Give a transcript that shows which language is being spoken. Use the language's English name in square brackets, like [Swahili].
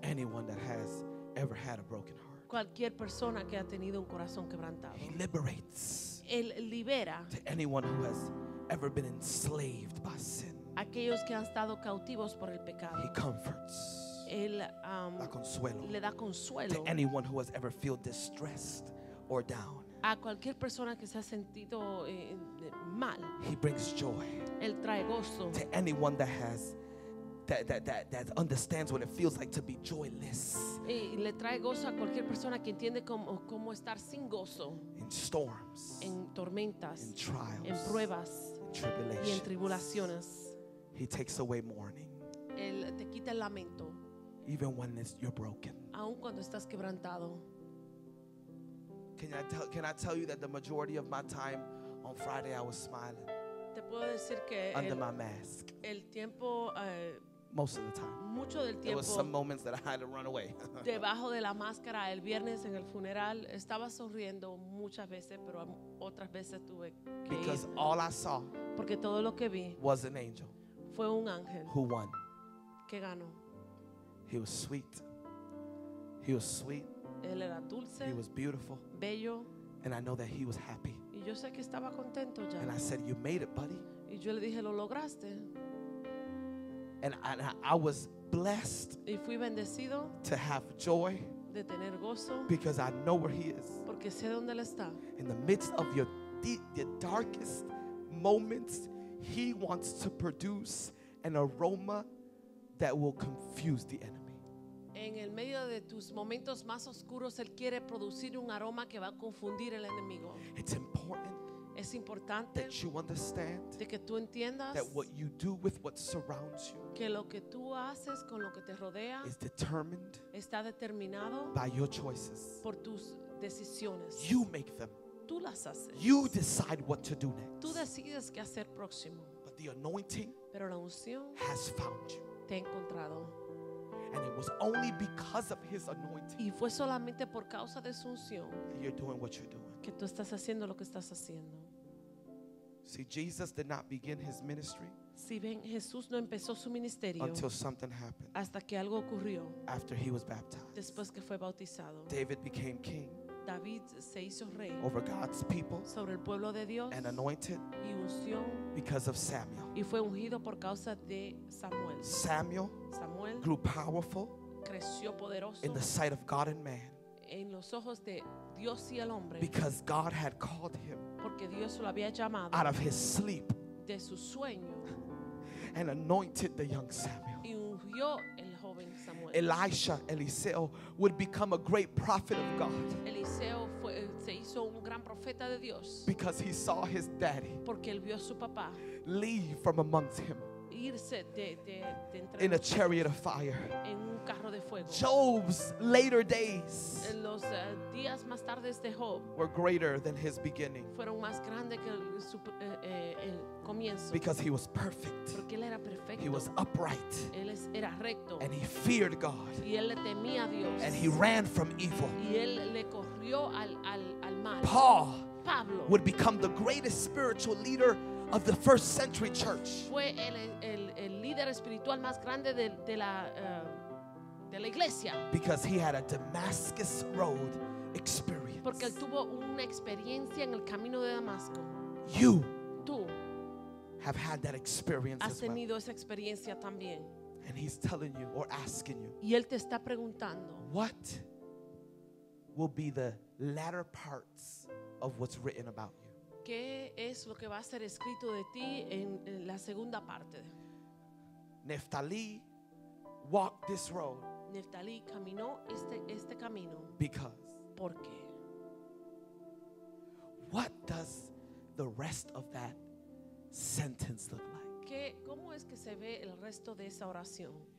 [English] Anyone that has ever had a broken heart. [Spanish] Cualquier persona que ha tenido un corazón quebrantado. [English] He liberates. [Spanish] Él libera. [English] To anyone who has ever been enslaved by sin. [Spanish] Aquellos que han estado cautivos por el pecado. [English] He comforts. [Spanish] Él le da consuelo. [English] To anyone who has ever felt distressed or down. [Spanish] A cualquier persona que se ha sentido mal. [English] He brings joy. [Spanish] Él trae gozo. [English] To anyone that has that understands what it feels like to be joyless. [Spanish] Y le trae gozo a cualquier persona que entiende cómo estar sin gozo. [English] In storms. [Spanish] En tormentas. [English] In trials. [Spanish] En pruebas. [English] In tribulations. [Spanish] Y en tribulaciones. [English] He takes away mourning. [Spanish] Él te quita el lamento. [English] Even when you're broken. [Spanish] Aun cuando estás quebrantado. [English] Can I tell you that the majority of my time on Friday I was smiling? [Spanish] Te puedo decir que [English] under my mask. [Spanish] El tiempo, [English] most of the time. [Spanish] Mucho del tiempo, [English] there were some moments that I had to run away. [Spanish] Debajo de la máscara, el viernes en el funeral, estaba sonriendo muchas veces, pero otras veces tuve que ir. [English] Because all I saw, [Spanish] porque todo lo que vi, [English] was an angel. [Spanish] Fue un ángel. [English] Who won? [Spanish] Que ganó. [English] He was sweet. He was sweet. [Spanish] Él era dulce. [English] He was beautiful. [Spanish] Bello. [English] And I know that he was happy. [Spanish] Y yo sé que estaba contento ya. [English] And I said, "You made it, buddy." [Spanish] Y yo le dije, "Lo lograste." [English] And I was blessed. [Spanish] Y fui bendecido. [English] To have joy. [Spanish] De tener gozo. [English] Because I know where he is. [Spanish] Porque sé dónde él está. [English] In the midst of your darkest moments, he wants to produce an aroma that will confuse the enemy. [Spanish] En el medio de tus momentos más oscuros, él quiere producir un aroma que va a confundir el enemigo. [English] It's important. [Spanish] Es importante. [English] That you understand. [Spanish] De que tú entiendas. [English] That what you do with what surrounds you. [Spanish] Que lo que tú haces con lo que te rodea. [English] Is determined. [Spanish] Está determinado. [English] By your choices. [Spanish] Por tus decisiones. [English] You make them. [Spanish] Tú las haces. [English] You decide what to do next. [Spanish] Tú decides qué hacer próximo. [English] But the anointing. [Spanish] Pero la unción. [English] Has found you. [Spanish] Te he encontrado. [English] And it was only because of his anointing. [Spanish] Y fue solamente por causa de su unción. [English] That you're doing what you're doing. [Spanish] Que tú estás haciendo lo que estás haciendo. [English] See, Jesus did not begin his ministry. [Spanish] Si ven, Jesús no empezó su ministerio. [English] Until something happened. [Spanish] Hasta que algo ocurrió. [English] After he was baptized. [Spanish] Después que fue bautizado. [English] David became king. [Spanish] David se hizo rey. [English] Over God's people. [Spanish] Sobre el pueblo de Dios. [English] And anointed. [Spanish] Y ungió. [English] Because of Samuel. [Spanish] Y fue ungido por causa de Samuel. [English] Samuel grew powerful. [Spanish] Creció poderoso. [English] In the sight of God and man. [Spanish] En los ojos de Dios y el hombre. [English] Because God had called him. [Spanish] Porque Dios lo había llamado. [English] Out of his sleep. [Spanish] De su sueño. [English] And anointed the young Samuel. [Spanish] Y ungió el joven Samuel. [English] Elisha, Eliseo, would become a great prophet of God. [Spanish] Eliseo fue, se hizo un gran profeta de Dios. [English] Because he saw his daddy. [Spanish] Porque él vio a su papá. [English] Leave from amongst him. [Spanish] Irse de entre [English] in a chariot of fire. [Spanish] En un carro de fuego. [English] Job's later days. [Spanish] En los días más tardes de Job. [English] Were greater than his beginning. [Spanish] Fueron más grandes que el comienzo. [English] Because he was perfect. [Spanish] Porque él era perfecto. [English] He was upright. [Spanish] Él era recto. [English] And he feared God. [Spanish] Y él le temía a Dios. [English] And he ran from evil. [Spanish] Y él le corrió al mal. [English] Paul. [Spanish] Pablo. [English] Would become the greatest spiritual leader of the first century church. [Spanish] Fue el líder espiritual más grande de la iglesia. [English] Because he had a Damascus road experience. [Spanish] Porque él tuvo una experiencia en el camino de Damasco. [English] You. [Spanish] Tú. [English] Have had that experience as well. [Spanish] Has tenido esa experiencia también. [English] And he's telling you or asking you. [Spanish] Y él te está preguntando. [English] What will be the latter parts of what's written about you? [Spanish] ¿Qué es lo que va a ser escrito de ti en la segunda parte? [English] Neftalí walked this road. [Spanish] Neftalí caminó este camino. [English] Because. [Spanish] ¿Por qué? [English] What does the rest of that sentence look like? [Spanish] ¿Qué, cómo es que se ve el resto de esa oración?